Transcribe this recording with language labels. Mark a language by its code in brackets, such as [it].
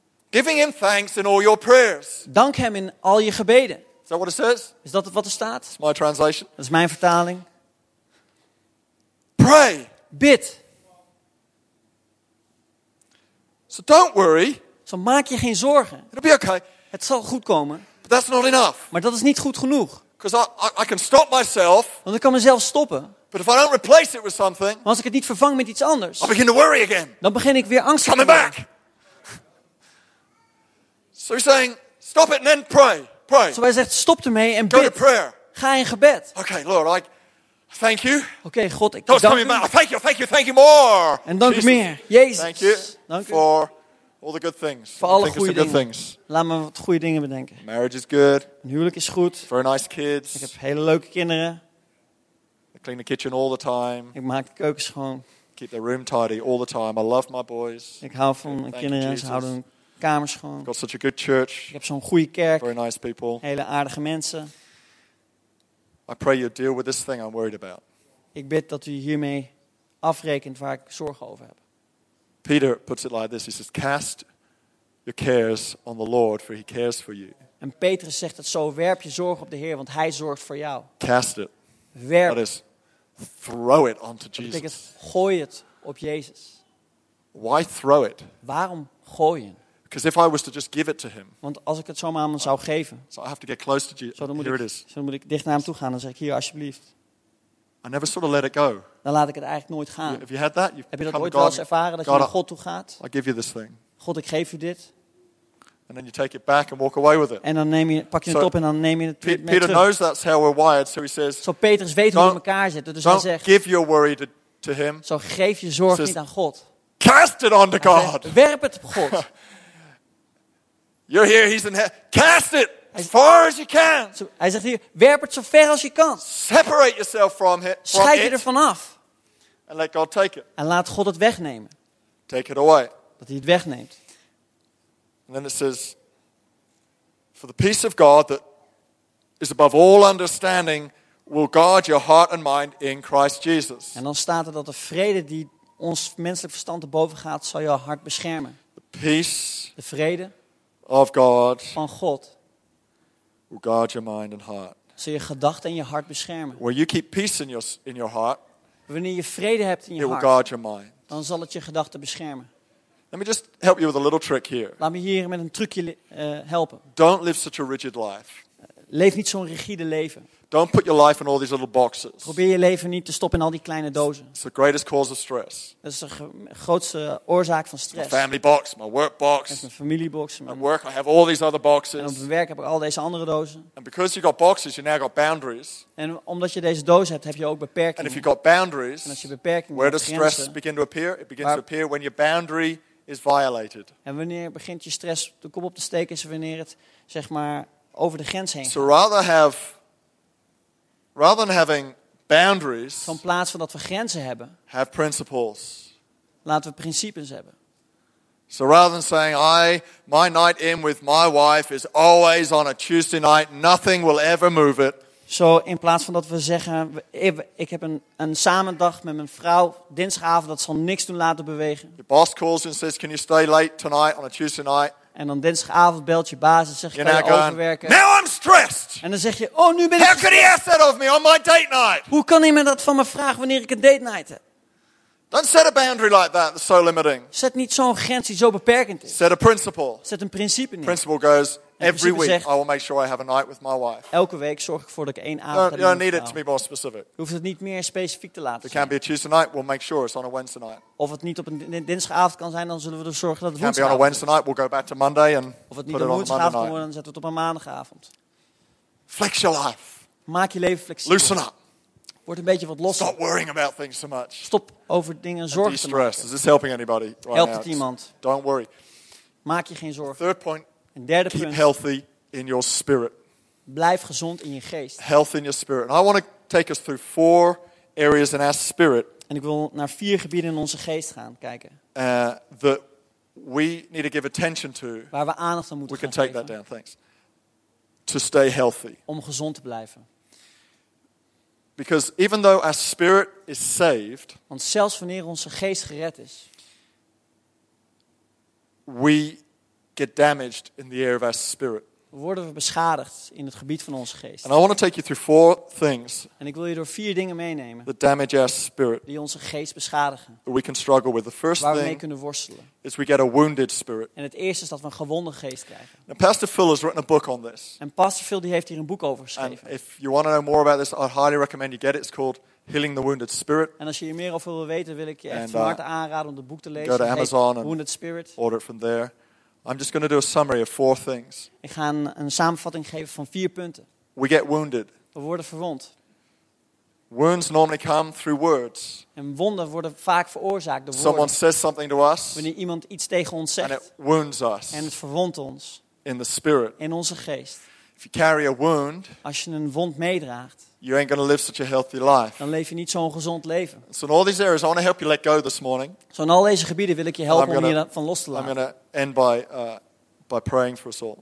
[en] Giving him thanks in all your prayers. [nl] Dank hem in al je gebeden. [en] Is that what it says? [nl] Is dat wat er staat? [en] It's my translation. [nl] Dat is mijn vertaling. [en] Pray. [nl] Bid. [en] So don't worry. [nl] Zo maak je geen zorgen. [en] It'll be okay. [nl] Het zal goed komen. [en] But that's not enough. [nl] Maar dat is niet goed genoeg. [en] Because I can stop myself. [nl] Want ik kan mezelf stoppen. [en] But if I don't replace it with something. [nl] Maar als ik het niet vervang met iets anders. [en] I begin to worry again. [nl] Dan begin ik weer angst te krijgen. [en] Coming back. So he's saying, stop it and then pray. Pray. [nl] Zo hij zegt, stop ermee en bid. [en] Go to prayer. [nl] Ga in gebed. [en] Okay, Lord, I thank you. [nl] Okay, God, ik dank u. [en] Thank you more. [nl] En dank u meer, Jezus. [en] Thank you. [nl] Dank u. [en] For all the good things. [nl] Voor alle goede dingen. Laat me wat goede dingen bedenken. [en] Marriage is good. [nl] Een huwelijk is goed. [en] For nice kids. [nl] Ik heb hele leuke kinderen. [en] I clean the kitchen all the time. [nl] Ik maak de keuken schoon. [en] Keep the room tidy all the time. I love my boys. [nl] Ik hou van mijn kinderen. Ze houden kamers gewoon. [en] Got such a good church. [nl] Ik heb zo'n goede kerk. [en] Very nice people. [nl] Hele aardige mensen. [en] I pray you deal with this thing I'm worried about. [nl] Ik bid dat u hiermee afrekent waar ik zorgen over heb. [en] Peter puts it like this. He says, cast your cares on the Lord, for he cares for you. [nl] En Petrus zegt het zo, werp je zorg op de Heer, want hij zorgt voor jou. [en] Cast it. [nl] Werp. [en] That is, throw it onto [nl] dat [en] Jesus. [nl] Dat betekent, gooi het op Jezus. [en] Why throw it? [nl] Waarom gooien? [en] Because if I was to just give it to him. [nl] Want als ik het zomaar aan hem zou geven. [en] So I have to get close to Jesus. [nl] Zo, [en] here it is. [nl] Zo moet ik dicht naar hem toe gaan en zeg ik hier alsjeblieft. [en] I never sort of let it go. [nl] Dan laat ik het eigenlijk nooit gaan. [en] Have you had that? [nl] Heb je dat ooit wel eens ervaren dat God, je naar God toe gaat? [en] I give you this thing. [nl] God, ik geef u dit. [en] And then you take it back and walk away with it. [nl] En dan neem je pak je het op en dan neem je het weer terug. [en] Peter knows that's how we're wired, so he says. [nl] Zo Petrus weet hoe we in elkaar zitten, dus [en] don't [nl] hij zegt. [en] Give your worry to him. [nl] Zo geef je zorg niet aan God. [en] Cast it onto God. [nl] Werp het op God. [en] You're here, he's in heaven. Cast it as far as you can. [nl] Hij zegt hier, werp het zo ver als je kan. [en] Separate yourself from it. [nl] Scheid je er vanaf. [en] And let God take it. [nl] En laat God het wegnemen. [en] Take it away. [nl] Dat hij het wegneemt. [en] And then it says, for the peace of God that is above all understanding will guard your heart and mind in Christ Jesus. [nl] En dan staat er dat de vrede die ons menselijk verstand te boven gaat, zal jouw hart beschermen. [en] The peace. [nl] De vrede. [en] Of God, [nl] van God. [en] Will guard your mind and heart. [nl] Zal je gedachten en je hart beschermen. [en] Where you keep peace in your heart. [nl] Wanneer je vrede hebt in je [en] it [nl] hart. [en] Will guard your mind. [nl] Dan zal het je gedachten beschermen. [en] Let me just help you with a little trick here. [nl] Laat me hier met een trucje helpen. [en] Don't live such a rigid life. [nl] Leef niet zo'n rigide leven. [en] Don't put your life in all these little boxes. [nl] Probeer je leven niet te stoppen in al die kleine dozen. [en] It's the greatest cause of stress. [nl] Dat is de grootste oorzaak van stress. [en] My family box, my work box. [nl] Ik heb mijn familiebox. [en] At work, I have all these other boxes. [nl] En op mijn werk heb ik al deze andere dozen. [en] And because you got boxes, you now got boundaries. [nl] En omdat je deze dozen hebt, heb je ook beperkingen. [en] And if you got boundaries, [nl] en als je beperkingen [en] where does stress begin to appear? It begins to appear when your boundary is violated. [nl] En wanneer begint je stress de kop op te steken? Is wanneer het zeg maar over de grens heen. [en] So rather than having boundaries, [nl] van plaats van dat we grenzen hebben, [en] have principles. [nl] Laten we principes hebben. [en] So rather than saying my night in with my wife is always on a Tuesday night, nothing will ever move it. [nl] Zo in plaats van dat we zeggen ik heb een samendag met mijn vrouw dinsdagavond, dat zal niks doen laten bewegen. [en] Your boss calls and says, can you stay late tonight on a Tuesday night? [nl] En dan dinsdagavond belt je baas en zegt, kan je overwerken? [en] Now I'm stressed. [nl] En dan zeg je, oh, nu ben ik gestrest. [en] How could he ask that of me on my date night? [nl] Hoe kan hij me dat van me vragen wanneer ik een date night heb? [en] Don't set a boundary like that, that's so limiting. [nl] Zet niet zo'n grens die zo beperkend is. [en] Set a principle. [nl] Zet een principe neer. [en] Principle goes, every week I will make sure I have a night with my wife. [nl] Elke week zorg ik ervoor dat ik één avond heb. [en] You don't need it to be more specific. [nl] Je hoeft het niet meer specifiek te laten zijn. [en] It can't be a Tuesday night, we'll make sure it's on a Wednesday night. [nl] Of het niet op een dinsdagavond kan zijn, dan zullen we er zorgen dat het woensdag is. [en] Can't be on a Wednesday night, we'll go back to Monday and [nl] of het niet op woensdagavond kan worden, dan zetten we het op een maandagavond. [en] Flex your life. [nl] Maak je leven flexibel. [en] Loosen up. [nl] Wordt een beetje wat los. [en] Stop worrying about things so much. [nl] Stop over dingen zorgen te maken. [en] Is this helping anybody? Right, [nl] helpt het iemand? [en] Don't worry. [nl] Maak je geen zorgen. [en] Third point. [nl] Een derde [en] keep [nl] punt. [en] Healthy in your spirit. [nl] Blijf gezond in je geest. [en] Health in your spirit. And I want to take us through four areas in our spirit. [nl] En ik wil naar vier gebieden in onze geest gaan kijken. [en] That we need to give attention to. [nl] Waar we aandacht aan moeten we gaan [en] can take [nl] geven. [en] That down. Thanks. To stay healthy. [nl] Om gezond te blijven. [en] Because even though our spirit is saved, [nl] want zelfs wanneer onze geest gered is, [en] we get damaged in the area of our spirit. [nl] Worden we beschadigd in het gebied van onze geest. [en] And I want to take you through four things. [nl] En ik wil je door vier dingen meenemen. [en] That damage our spirit. [nl] Die onze geest beschadigen. [en] That we can struggle with. The first [nl] waar [en] thing [nl] we mee kunnen worstelen. [en] Is we get a wounded spirit. [nl] En het eerste is dat we een gewonde geest krijgen. [en] Now Pastor Phil has written a book on this. [nl] En Pastor Phil die heeft hier een boek over geschreven. [en] And if you want to know more about this, I highly recommend you get it. It's called Healing the Wounded Spirit. [nl] En als je hier meer over wil weten, wil ik je echt van harte aanraden om het boek te lezen. [en] Go to Amazon and Wounded Spirit. Order it from there. I'm just going to do a summary of four things. [nl] Ik ga een samenvatting geven van vier punten. [en] We get wounded. [nl] We worden verwond. [en] Wounds normally come through words. [nl] En wonden worden vaak veroorzaakt door [en] Someone [nl] woorden. [en] Someone says something to us. [nl] Wanneer iemand iets tegen ons zegt. [en] And it wounds us. [nl] En het verwondt ons. [en] In the spirit. [nl] In onze geest. [en] If you carry a wound. [nl] Als je een wond meedraagt. [en] You ain't gonna live such a healthy life. [nl] Dan leef je niet zo'n gezond leven. [en] So in all these areas, I want to help you let go this morning. [nl] Zo in al deze gebieden wil ik je helpen om hier van los te laten. [en] I'm gonna end by praying for us all.